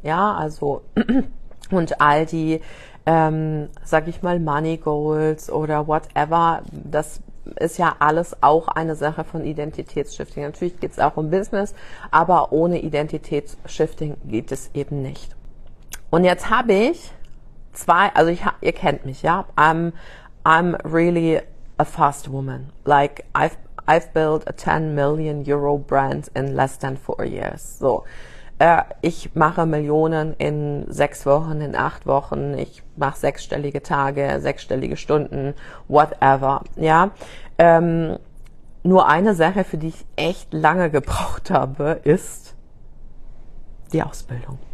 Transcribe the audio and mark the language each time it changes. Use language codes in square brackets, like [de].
[de] Ja, also und all die, sag ich mal, Money Goals oder whatever, das ist ja alles auch eine Sache von Identitätsshifting. Natürlich geht es auch um Business, aber ohne Identitätsshifting geht es eben nicht. Und jetzt habe ich zwei, also ihr kennt mich, ja, [en] I'm really a fast woman. Like I've built a 10 million euro brand in less than 4 years. [de] So. Ich mache Millionen in 6 Wochen, in 8 Wochen. Ich mache sechsstellige Tage, sechsstellige Stunden, whatever. Ja. Nur eine Sache, für die ich echt lange gebraucht habe, ist die Ausbildung.